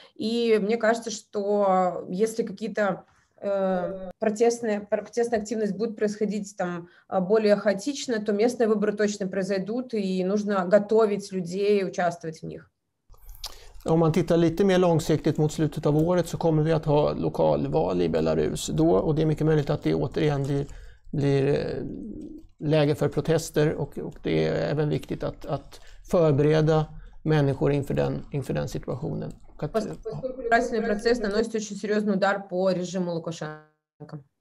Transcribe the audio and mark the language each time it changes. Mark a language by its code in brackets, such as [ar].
[ru] И мне кажется, что если какие-то протестная активность будет происходить там более хаотично, то местные выборы точно произойдут, и нужно готовить людей и участвовать в них. [sv] Om man tittar lite mer långsiktigt mot slutet av året så kommer vi att ha lokalval i Belarus då, och det är mycket möjligt att det återigen blir läge för protester, och det är även viktigt att förbereda människor inför den situationen. [ru] Избирательный процесс наносит очень серьезный удар по режиму Лукашенко.